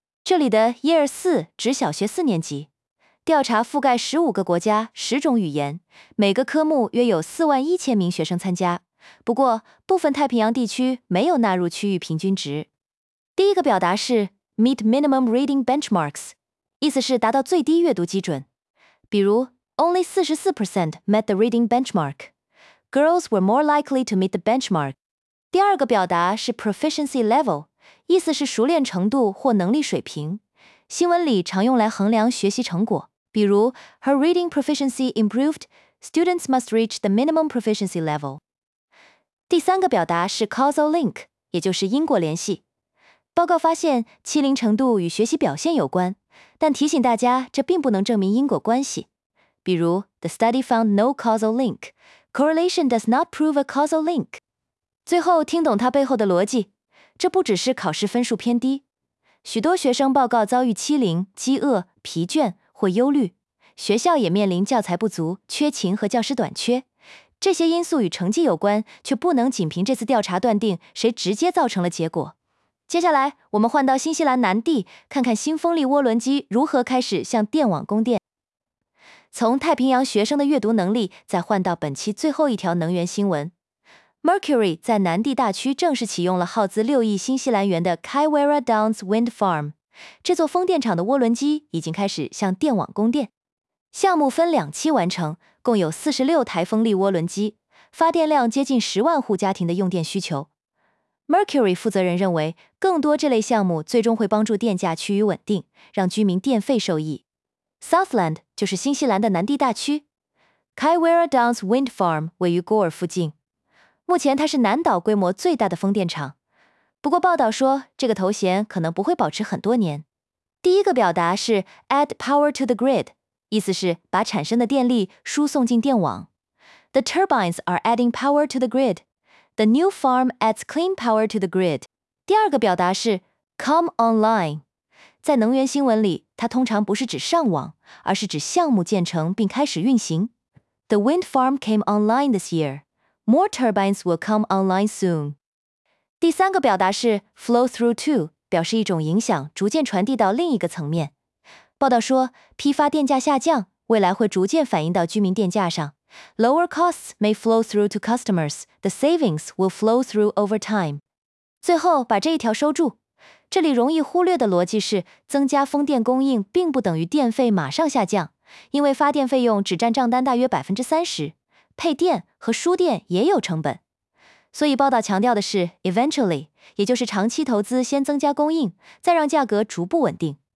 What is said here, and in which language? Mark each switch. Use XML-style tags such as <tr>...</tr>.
<zh>这里的 Year 4指小学四年级，调查覆盖15个国家、10种语言，每个科目约有41000名学生参加，不过部分太平洋地区没有纳入区域平均值。第一个表达是</zh> <en>Meet Minimum Reading Benchmarks，</en> <zh>意思是达到最低阅读基准。比如</zh> <en>,Only 44% met the reading benchmark. Girls were more likely to meet the benchmark.</en> <zh>第二个表达是 proficiency level, 意思是熟练程度或能力水平。新闻里常用来衡量学习成果。比如</zh> <en>,Her reading proficiency improved, students must reach the minimum proficiency level.</en> <zh>第三个表达是 causal link, 也就是因果联系。报告发现欺凌程度与学习表现有关，但提醒大家，这并不能证明因果关系。比如</zh> <en>,The study found no causal link. Correlation does not prove a causal link.</en> <zh>最后听懂它背后的逻辑，这不只是考试分数偏低。许多学生报告遭遇欺凌、饥饿、疲倦或忧虑。学校也面临教材不足、缺勤和教师短缺。这些因素与成绩有关，却不能仅凭这次调查断定谁直接造成了结果。接下来我们换到新西兰南地，看看新风力涡轮机如何开始向电网供电。从太平洋学生的阅读能力再换到本期最后一条能源新闻。 Mercury 在南地大区正式启用了耗资6亿新西兰元的 Kaiwera Downs Wind Farm。这座风电场的涡轮机已经开始向电网供电。项目分两期完成，共有46台风力涡轮机，发电量接近10万户家庭的用电需求。 Mercury 负责人认为，更多这类项目最终会帮助电价趋于稳定，让居民电费受益。 Southland 就是新西兰的南地大区。 Kaiwera Downs Wind Farm 位于 Gore 附近。目前它是南岛规模最大的风电场。不过报道说，这个头衔可能不会保持很多年。第一个表达是</zh> <en>Add Power to the Grid，</en> <zh>意思是把产生的电力输送进电网。</zh> <en>The turbines are adding power to the grid. The new farm adds clean power to the grid.</en> <zh>第二个表达是 come online. 在能源新闻里，它通常不是指上网，而是指项目建成并开始运行。</zh> <en>The wind farm came online this year. More turbines will come online soon.</en> <zh>第三个表达是 flow through to, 表示一种影响逐渐传递到另一个层面。报道说，批发电价下降，未来会逐渐反映到居民电价上。</zh> <en>Lower costs may flow through to customers. The savings will flow through over time.</en> <zh>最后把这一条收住。这里容易忽略的逻辑是，增加风电供应并不等于电费马上下降，因为发电费用只占账单大约 30%， 配电和输电也有成本。所以报道强调的是 eventually， 也就是长期投资先增加供应，再让价格逐步稳定。</zh>